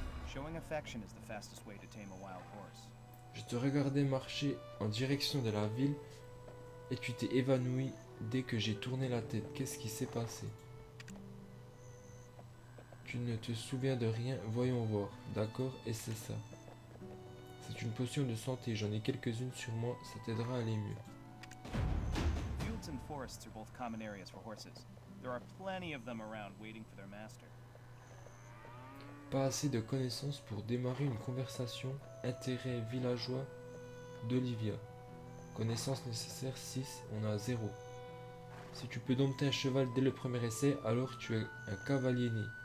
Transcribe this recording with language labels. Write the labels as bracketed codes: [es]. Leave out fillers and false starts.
[fr] Je te regardais marcher en direction de la ville et tu t'es évanoui dès que j'ai tourné la tête. Qu'est-ce qui s'est passé? Tu ne te souviens de rien, voyons voir. D'accord, et c'est ça. C'est une potion de santé, j'en ai quelques-unes sur moi, ça t'aidera à aller mieux. [en] Fields and forests are both common areas for horses. There are plenty of them around waiting for their master. [fr] Pas assez de connaissances pour démarrer une conversation. Intérêt villageois d'Olivia. Connaissances nécessaires 6, on a 0. Si tu peux dompter un cheval dès le premier essai, alors tu es un cavalier né.